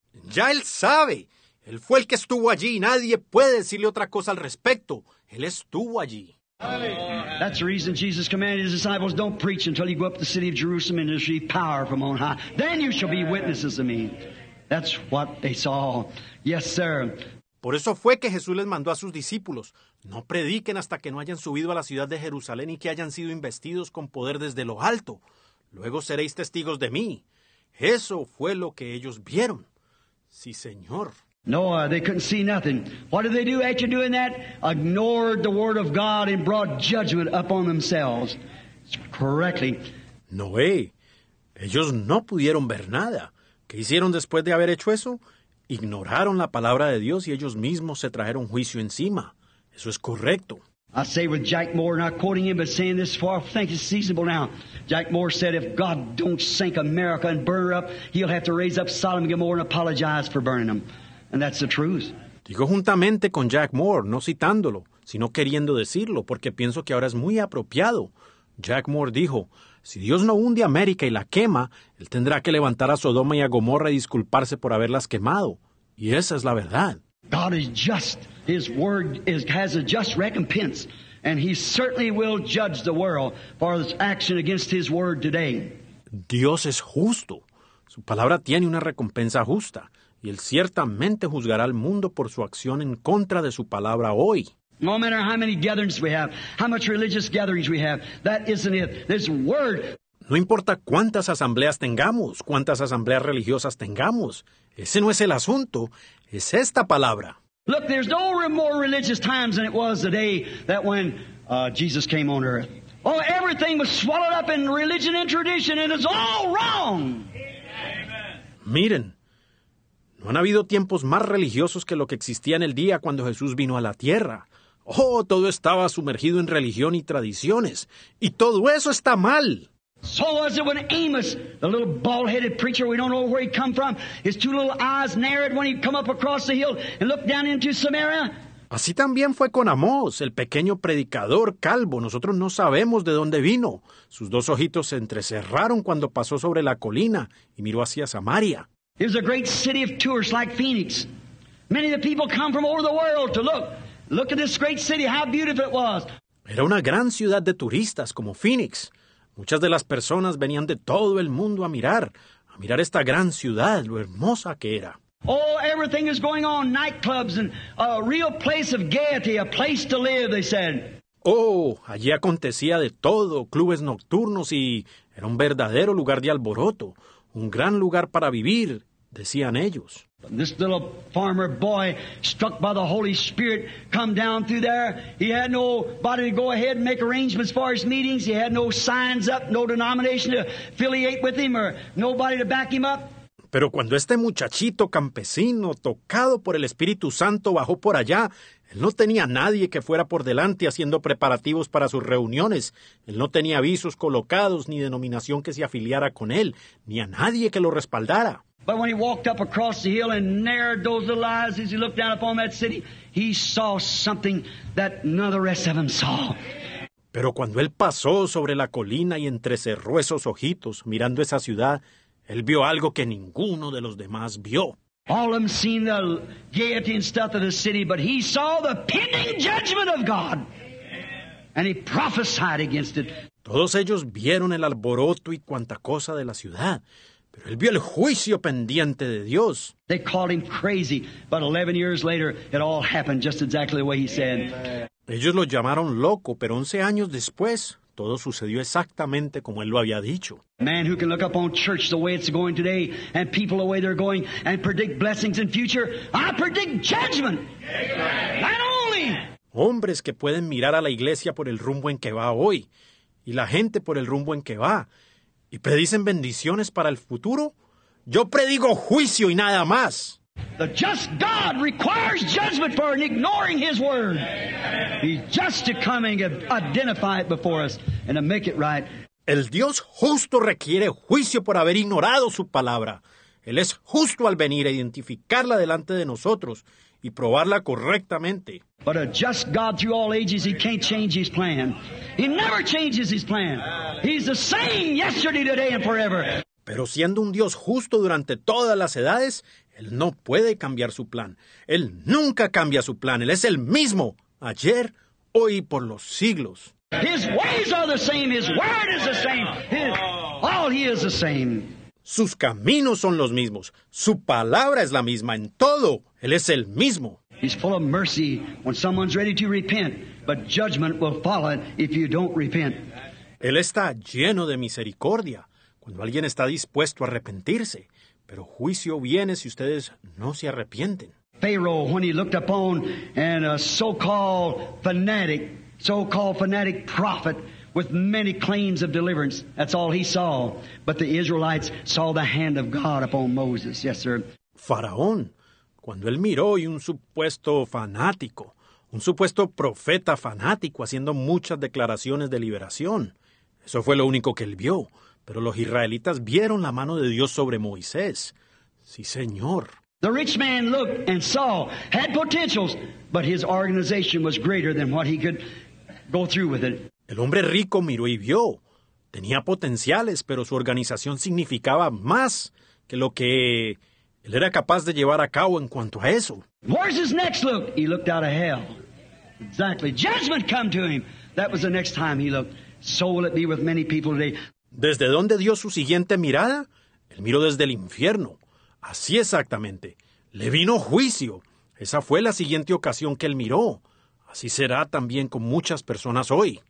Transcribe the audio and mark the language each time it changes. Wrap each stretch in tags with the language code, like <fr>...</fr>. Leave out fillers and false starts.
<es>Ya él sabe. Él fue el que estuvo allí y nadie puede decirle otra cosa al respecto. Él estuvo allí.</es> <en>That's the reason Jesus commanded his disciples, don't preach until you go up to the city of Jerusalem and receive power from on high. Then you shall be witnesses of me. That's what they saw. Yes, sir.</en> <es>Por eso fue que Jesús les mandó a sus discípulos, no prediquen hasta que no hayan subido a la ciudad de Jerusalén y que hayan sido investidos con poder desde lo alto. Luego seréis testigos de mí. Eso fue lo que ellos vieron. Sí, Señor.</es> <en>Noah, they couldn't see nothing. What did they do after doing that? Ignored the word of God and brought judgment upon themselves. Correctly.</en> <es>Noé, ellos no pudieron ver nada. ¿Qué hicieron después de haber hecho eso? Ignoraron la palabra de Dios y ellos mismos se trajeron juicio encima. Eso es correcto.</es> <en>I say with Jack Moore, not quoting him, but saying this far, I think it's seasonable now. Jack Moore said, if God don't sink America and burn her up, he'll have to raise up Sodom and Gomorrah and apologize for burning them. And that's the truth.</en> <es>Digo juntamente con Jack Moore, no citándolo, sino queriendo decirlo, porque pienso que ahora es muy apropiado. Jack Moore dijo, si Dios no hunde a América y la quema, él tendrá que levantar a Sodoma y a Gomorra y disculparse por haberlas quemado. Y esa es la verdad.</es> <en>God is just. His word is, has a just recompense. And he certainly will judge the world for its action against his word today.</en> <es>Dios es justo. Su palabra tiene una recompensa justa. Y él ciertamente juzgará al mundo por su acción en contra de su palabra hoy.</es> <en>No matter how many gatherings we have, how much religious gatherings we have, that isn't it. This word.</en> <es>No importa cuántas asambleas tengamos, cuántas asambleas religiosas tengamos, ese no es el asunto, es esta palabra.</es> <en>Look, there's no more religious times than it was the day that when Jesus came on earth. Oh, everything was swallowed up in religion and tradition, and it's all wrong.</en> <es>Amen. Miren. No han habido tiempos más religiosos que lo que existía en el día cuando Jesús vino a la tierra. Oh, todo estaba sumergido en religión y tradiciones. Y todo eso está mal.</es> <en>So was it when Amos, the little bald-headed preacher, we don't know where he'd come from, his two little eyes narrowed when he'd come up across the hill and looked down into Samaria.</en> <es>Así también fue con Amós, el pequeño predicador calvo. Nosotros no sabemos de dónde vino. Sus dos ojitos se entrecerraron cuando pasó sobre la colina y miró hacia Samaria.</es> <en>It was a great city of tourists like Phoenix. Many of the people come from over the world to look. Look at this great city, how beautiful it was.</en> <es>Era una gran ciudad de turistas como Phoenix. Muchas de las personas venían de todo el mundo a mirar esta gran ciudad, lo hermosa que era.</es> <en>Oh, everything is going on, nightclubs and a real place of gaiety, a place to live, they said.</en> <es>Oh, allí acontecía de todo, clubes nocturnos y era un verdadero lugar de alboroto. Un gran lugar para vivir, decían ellos.</es> <en>This little farmer boy, struck by the Holy Spirit, come down through there. He had nobody to go ahead and make arrangements for his meetings. He had no signs up, no denomination to affiliate with him, or nobody to back him up.</en> <es>Pero cuando este muchachito campesino, tocado por el Espíritu Santo, bajó por allá, él no tenía nadie que fuera por delante haciendo preparativos para sus reuniones. Él no tenía avisos colocados, ni denominación que se afiliara con él, ni a nadie que lo respaldara.</es> <en>But when he walked up across the hill and narrowed those little eyes as he looked down upon that city, he saw something that none of the rest of them saw.</en> <es>Pero cuando él pasó sobre la colina y entrecerró esos ojitos mirando esa ciudad, él vio algo que ninguno de los demás vio.</es> <en>All of them seen the gaiety and stuff of the city, but he saw the pending judgment of God. And he prophesied against it.</en> <es>Todos ellos vieron el alboroto y cuanta cosa de la ciudad, pero él vio el juicio pendiente de Dios.</es> <en>They called him crazy, but 11 years later, it all happened just exactly the way he said.</en> <es>Ellos lo llamaron loco, pero 11 años después, todo sucedió exactamente como él lo había dicho.</es> <en>Man who can look up on church the way it's going today and people the way they're going and predict blessings in future, I predict judgment. Not only.</en> <es>Hombres que pueden mirar a la iglesia por el rumbo en que va hoy y la gente por el rumbo en que va y predicen bendiciones para el futuro, yo predigo juicio y nada más.</es> <en>The just God requires judgment for ignoring his word. He's just to come and identify it before us and to make it right.</en> <es>El Dios justo requiere juicio por haber ignorado su palabra. Él es justo al venir a identificarla delante de nosotros y probarla correctamente.</es> <en>But a just God through all ages, he can't change his plan. He never changes his plan. He's the same yesterday, today, and forever.</en> <es>Pero siendo un Dios justo durante todas las edades, Él no puede cambiar su plan. Él nunca cambia su plan. Él es el mismo, ayer, hoy y por los siglos.</es> <en>His ways are the same. His word is the same. He is the same.</en> <es>Sus caminos son los mismos. Su palabra es la misma en todo. Él es el mismo.</es> <en>He's full of mercy when someone's ready to repent, but judgment will follow if you don't repent.</en> <es>Él está lleno de misericordia cuando alguien está dispuesto a arrepentirse, pero juicio viene si ustedes no se arrepienten.</es> <en>Pharaoh, when he looked upon a so-called fanatic prophet with many claims of deliverance, that's all he saw. But the Israelites saw the hand of God upon Moses. Yes, sir.</en> <es>Faraón, cuando él miró y un supuesto fanático, un supuesto profeta fanático haciendo muchas declaraciones de liberación, eso fue lo único que él vio. Pero los israelitas vieron la mano de Dios sobre Moisés. Sí, señor.</es> <en>The rich man looked and saw, had potentials, but his organization was greater than what he could go through with it.</en> <es>El hombre rico miró y vio. Tenía potenciales, pero su organización significaba más que lo que él era capaz de llevar a cabo en cuanto a eso.</es> <en>Where's his next look? He looked out of hell. Exactly. Judgment come to him. That was the next time he looked. So will it be with many people today.</en> <es>¿Desde dónde dio su siguiente mirada? Él miró desde el infierno. Así exactamente. Le vino juicio. Esa fue la siguiente ocasión que él miró. Así será también con muchas personas hoy.</es>